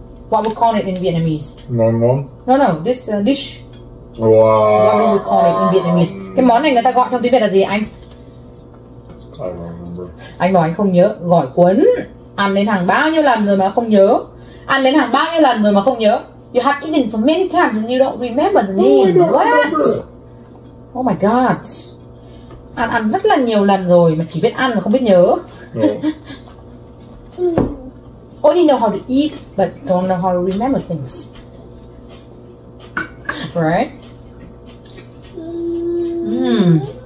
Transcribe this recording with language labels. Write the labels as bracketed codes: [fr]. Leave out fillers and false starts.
[en] What would call it in Vietnamese? [vi] Ngon ngon? [en] No, no. This dish. Wow. What would we call it in Vietnamese? [vi] Cái món này người ta gọi trong tiếng Việt là gì anh? [en] I don't remember. [vi] Anh nói anh không nhớ. Gỏi cuốn. Ăn đến hàng bao nhiêu lần rồi mà không nhớ. Ăn đến hàng bao nhiêu lần rồi mà không nhớ. [en] You have eaten for many times and you don't remember the name. What? Oh my god. [vi] Ăn ăn rất là nhiều lần rồi mà chỉ biết ăn mà không biết nhớ. [en] No. Only know how to eat but don't know how to remember things. Right? Mm.